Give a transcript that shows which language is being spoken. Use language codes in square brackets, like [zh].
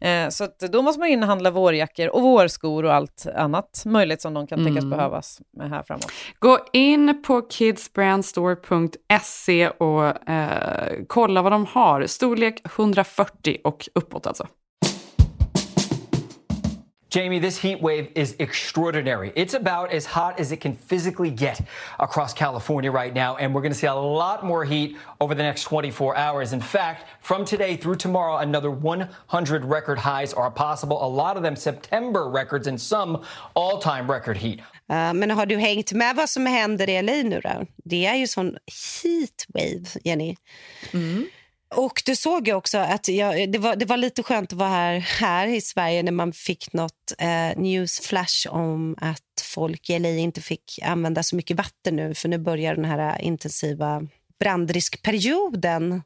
[sv] Så att då måste man inhandla vårjackor och vårskor och allt annat möjligt som de kan tänkas behövas med här framåt. Gå in på kidsbrandstore.se och kolla vad de har. Storlek 140 och uppåt alltså. [en] Jamie, this heat wave is extraordinary. It's about as hot as it can physically get across California right now. And we're going to see a lot more heat over the next 24 hours. In fact, from today through tomorrow, another 100 record highs are possible. A lot of them September records and some all-time record heat. [sv] Men har du hängt med vad som händer i LA nu då? Det är ju sån heat wave, Jenny. Mm. Och du såg ju också att det var lite skönt att vara här i Sverige när man fick något newsflash om att folk i LA inte fick använda så mycket vatten nu, för nu börjar den här intensiva brandriskperioden.